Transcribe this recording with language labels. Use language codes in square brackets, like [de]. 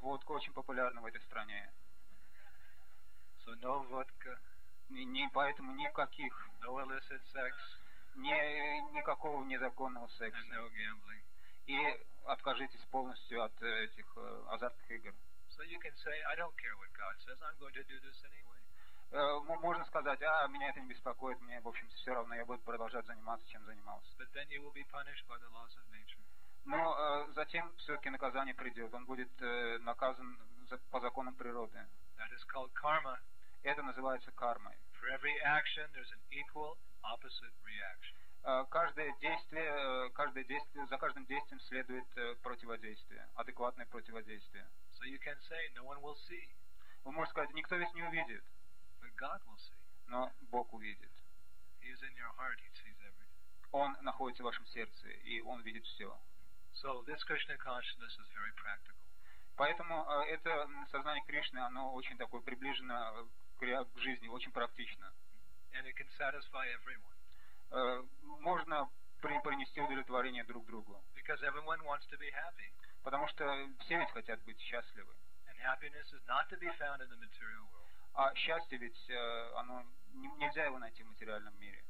[ru] Водка очень популярна в этой стране. [en] So no vodka. [ru] Не поэтому никаких. [en] No illicit sex. [ru] Никакого незаконного секса. [en] And no gambling. [ru] И откажитесь полностью от этих азартных игр. [en] So you can say, I don't care what God says, I'm going to do this anyway. [ru] Можно сказать, меня это не беспокоит, мне, в общем-то, все равно, я буду продолжать заниматься, чем занимался. [en] But then you will be punished by the laws of nature. [ru] Но затем все-таки наказание придет. Он будет наказан по законам природы. [en] That is called karma. [ru] Это называется кармой. [en] For every action, there's an equal and opposite reaction. [ru] Каждое действие, за каждым действием следует противодействие, адекватное противодействие. [en] So you can say, no one will see. [ru] Вы можете сказать, никто ведь не увидит. [en] But God will see. [ru] Но Бог увидит. [en] He is in your heart. He sees everything. [ru] Он находится в вашем сердце, и Он видит все. [en] So this Krishna consciousness is very practical. [ru] Поэтому это сознание Кришны, оно очень такое приближено к жизни, очень практично. [en] And it can satisfy everyone. [ru] Можно принести удовлетворение друг другу. [en] Because everyone wants to be happy. [ru] Потому что все ведь хотят быть счастливы. [en] And happiness is not to be found in the material world. [ru] А счастье ведь, оно нельзя его найти в материальном мире.